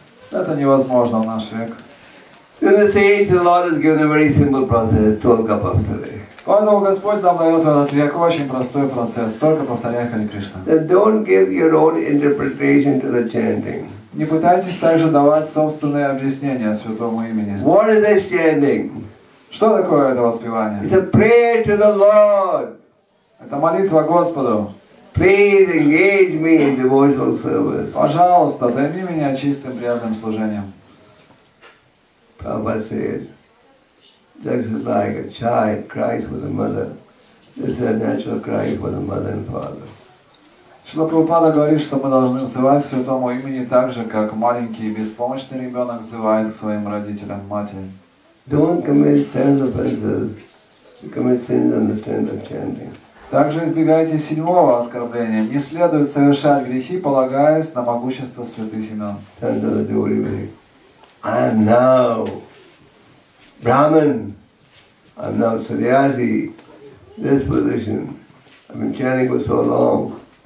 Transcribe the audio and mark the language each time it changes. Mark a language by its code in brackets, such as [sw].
[ru] Это невозможно в наш век. Поэтому Господь нам дает в этот век очень простой процесс, только повторяя Харе Кришна. [en] Don't give your own interpretation to the chanting. [ru] Не пытайтесь также давать собственные объяснения святому имени. [en] What is this chanting? [ru] Что такое это воспевание? [en] It's a prayer to the Lord. [ru] Это молитва Господу. [en] Please engage me in devotional service. [ru] Пожалуйста, займи меня чистым преданным служением. [en] Prabhupada said, just like a child cries for the mother, this is a natural cry for the mother and father. [ru] Шрила Прабхупада говорит, что мы должны взывать к святому имени так же, как маленький беспомощный ребенок взывает к своим родителям, матери. [en] Don't commit sins of offenses. Commit sins on the strength of chanting. [ru] Также избегайте седьмого оскорбления. Не следует совершать грехи, полагаясь на могущество святых имен. [en] Sons of the devotees, I am now Brahman, I'm now sannyasi, this position, I've been chanting for so long,